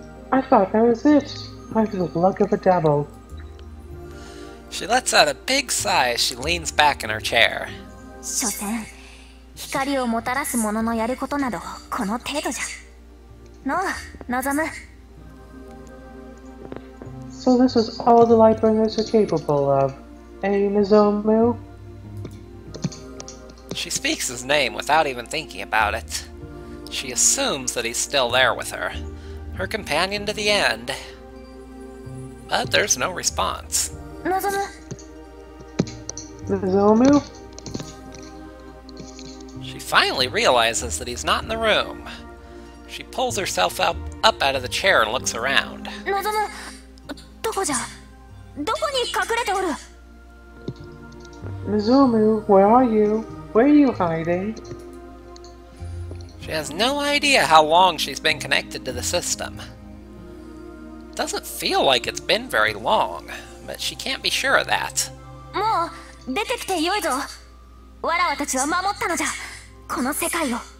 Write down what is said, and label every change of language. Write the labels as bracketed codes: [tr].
[en] I thought that was it. I'm the luck of a devil. She lets out a big sigh as she leans back in her chair. [ja] 所詮、光をもたらすもののやることなどこの程度じゃ。の、望む。 [en] So this is all the Lightbringers are capable of. She speaks his name without even thinking about it. She assumes that he's still there with her, her companion to the end. But there's no response. Nozomu? She finally realizes that he's not in the room. She pulls herself up out of the chair and looks around. [ja] Nozomu? Doko ja? Doko ni kakurete oru? [en] Mizumu, where are you? Where are you hiding? She has no idea how long she's been connected to the system. It doesn't feel like it's been very long, but she can't be sure of that. [ja] もう出てきてよいぞ。わらわたちは守ったのじゃ、この世界を。